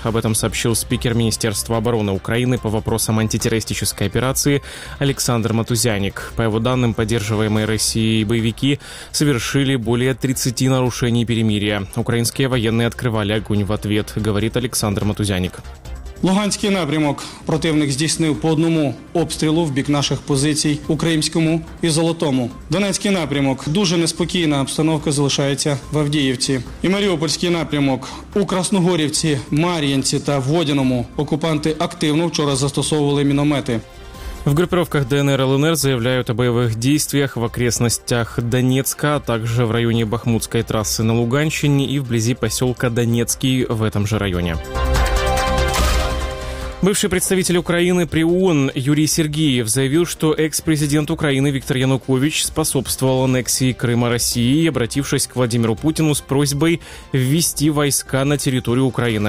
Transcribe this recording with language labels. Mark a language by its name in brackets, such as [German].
[Russian] Об этом сообщил спикер Министерства обороны Украины по вопросам антитеррористической операции Александр Матузяник. По его данным, поддерживаемые Россией боевики совершили более 30 нарушений перемирия. Украинские военные открывали огонь в ответ, говорит Александр Матузяник. [Ukrainian] Луганський напрямок. Противник здійснив по одному обстрілу в бік наших позицій, українському і золотому. Донецький напрямок. Дуже неспокійна обстановка залишається в Авдіївці. І Маріупольський напрямок. У Красногорівці, Мар'їнці та Водяному окупанти активно вчора застосовували міномети. [Russian] В группировках ДНР и ЛНР заявляют о боевых действиях в окрестностях Донецка, а также в районе Бахмутской трассы на Луганщине и вблизи поселка Донецкий в этом же районе. Бывший представитель Украины при ООН Юрий Сергеев заявил, что экс-президент Украины Виктор Янукович способствовал аннексии Крыма России, обратившись к Владимиру Путину с просьбой ввести войска на территорию Украины.